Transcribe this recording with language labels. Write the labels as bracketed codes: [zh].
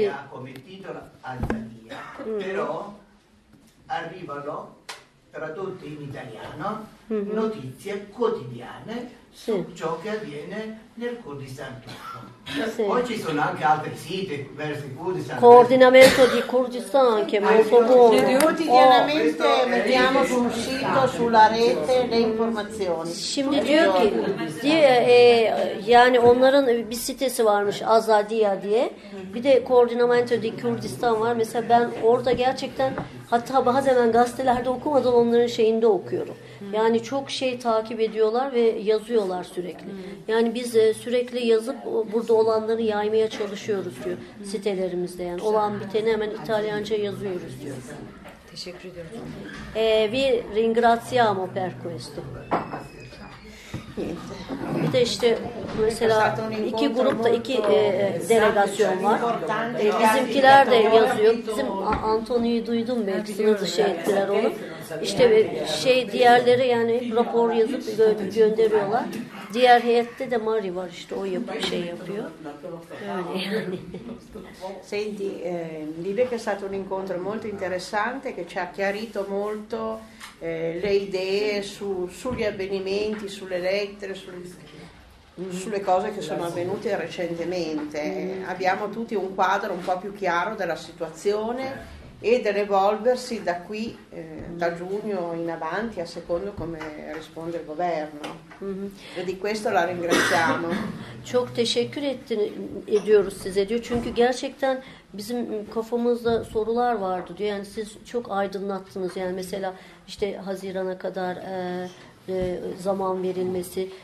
[it] Che ha come titolo Azadia, però arrivano tradotte in italiano notizie quotidiane su ciò che avviene nel Kurdistan turco. Sì. Poi ci sono anche altri siti verso il Kurdistan. Coordinamento di Kurdistan anche molto buono. Quotidianamente mettiamo sul sito, sulla rete, le informazioni. [tr] Şimdi diyor ki yani onların bir sitesi varmış Azadia diye. Bir de Coordinamento di Kurdistan var. Mesela ben orada gerçekten hatta bazen gazetelerde okumadan onların şeyinde okuyorum. Yani çok şey takip ediyorlar ve yazıyorlar sürekli. Yani biz sürekli yazıp burada olanları yaymaya çalışıyoruz diyor sitelerimizde. Yani olan biteni hemen İtalyanca yazıyoruz diyor. Teşekkür ediyoruz. [it] Vi ringraziamo per questo. Niente. [tr] birlikte işte mesela iki grupta iki delegasyon var. Bizimkiler de yazıyor. Bizim Antonio'yu duydum belki sınıfı şey ettiler onu. İşte şey diğerleri yani rapor yazıp gönderiyorlar. Diğer heyette de Mari var işte o şey yapıyor. Öyle yani. [it] Senti, dire che è stato un incontro molto interessante che ci ha chiarito molto le idee sugli avvenimenti, sulle lettere, sulle cose che sono avvenute recentemente. Abbiamo tutti un quadro un po' più chiaro della situazione e dell'evolversi da qui, da giugno in avanti, a secondo come risponde il governo. E di questo la ringraziamo. [tr] Çok teşekkür ediyoruz size diyor. Çünkü gerçekten bizim kafamızda sorular vardı diyor. Yani siz çok aydınlattınız. Yani mesela işte Haziran'a kadar zaman verilmesi.